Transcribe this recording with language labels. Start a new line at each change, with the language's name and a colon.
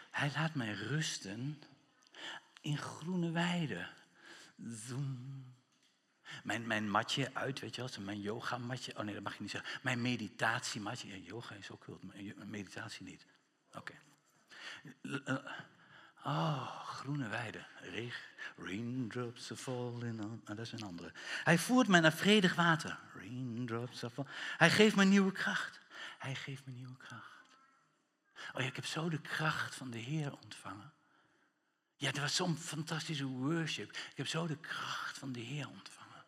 Dutch: Hij laat mij rusten in groene weiden. Zoom. Mijn matje uit, weet je wel, mijn yoga matje. Oh nee, dat mag je niet zeggen. Mijn meditatie matje. Ja, yoga is ook kult, maar meditatie niet. Oké. Okay. Oh, groene weide.
English: Raindrops are falling on.
Dutch: Oh, dat is een andere. Hij voert mij naar vredig water.
English: Raindrops are falling.
Dutch: Hij geeft me nieuwe kracht. Hij geeft me nieuwe kracht. Oh ja, ik heb zo de kracht van de Heer ontvangen. Ja, dat was zo'n fantastische worship. Ik heb zo de kracht van de Heer ontvangen.